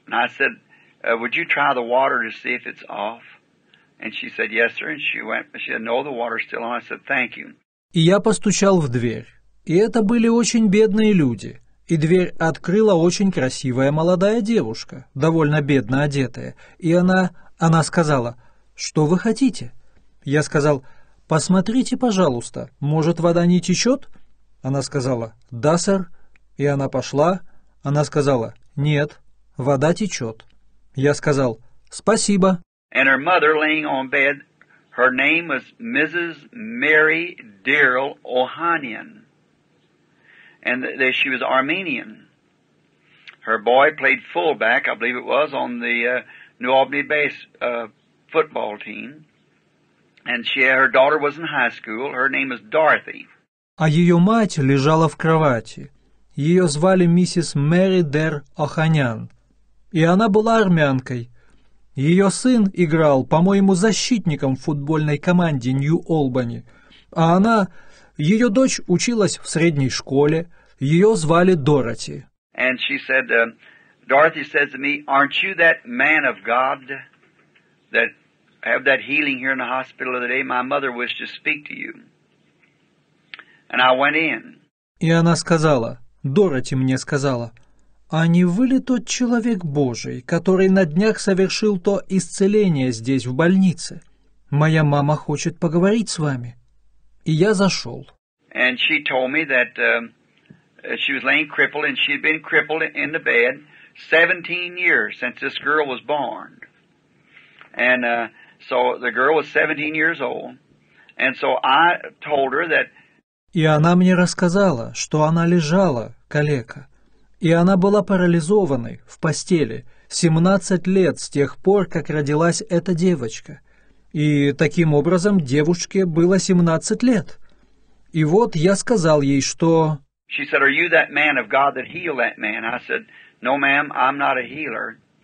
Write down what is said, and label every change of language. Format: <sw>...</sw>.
<en>And I said, would you try the water to see if it's off? And she said, yes, sir. And she went, she said, no, the water's still on. I said, thank you.</en> <ru>И я постучал в дверь. И это были очень бедные люди. И дверь открыла очень красивая молодая девушка, довольно бедно одетая. И она сказала: «Что вы хотите?» Я сказал: «Посмотрите, пожалуйста, может, вода не течет?» Она сказала: «Да, сэр». И она пошла. Она сказала: «Нет, вода течет». Я сказал: «Спасибо».</ru> <en>And her mother laying on bed, her name was Mrs. Mary Daryl Ohanian. And she was Armenian. Her boy played fullback, I believe it was, on the New Albany base football team. And her daughter was in high school. Her name was Dorothy.</en> <ru>А ее мать лежала в кровати. Ее звали миссис Мэри Дер Оханян. И она была армянкой. Ее сын играл, по-моему, защитником в футбольной команде Нью-Олбани. А она... Ее дочь училась в средней школе. Ее звали Дороти.</ru> <en>And she said, Dorothy said to me, aren't you that man of God that... have that healing here in the hospital the day my mother wished to speak to you. And I went in.</en> <ru>И она сказала, Дороти мне сказала, а не вы ли тот человек Божий, который на днях совершил то исцеление здесь, в больнице? Моя мама хочет поговорить с вами. И я зашел.</ru> <en>And she told me that she was laying crippled, and she had been crippled in the bed 17 years since this girl was born. And, so the girl was 17 years old, and so I told her that.</en> <ru>И она мне рассказала, что она лежала калека, и она была парализованной в постели 17 лет с тех пор, как родилась эта девочка, и таким образом девушке было 17 лет. И вот я сказал ей, что.</ru> <en>She said, "Are you that man of God that healed that man?" I said, "No, ma'am, I'm not a healer.</en>